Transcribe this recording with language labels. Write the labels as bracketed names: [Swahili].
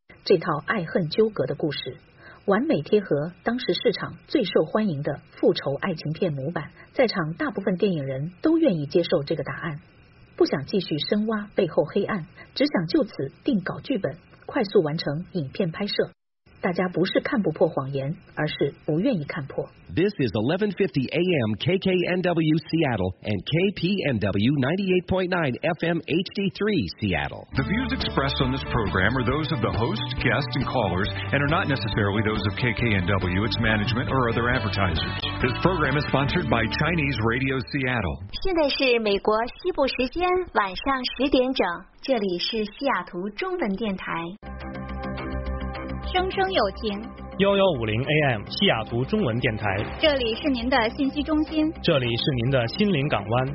[Chinese] 这套爱恨纠葛的故事完美贴合当时市场最受欢迎的复仇爱情片模板，在场大部分电影人都愿意接受这个答案，不想继续深挖背后黑暗，只想就此定稿剧本，快速完成影片拍摄。大家不是看不破谎言，而是不愿意看破。 [English] This is 1150 AM KKNW Seattle and KPNW 98.9 FM HD3 Seattle. The views expressed on this program are those of the host, guests, and callers and are not necessarily those of KKNW, its management, or other advertisers. This program is sponsored by Chinese Radio Seattle. [Chinese] 现在是美国西部时间晚上十点整，这里是西雅图中文电台。声声有情， 1150 AM 西雅图中文电台，这里是您的信息中心，这里是您的心灵港湾，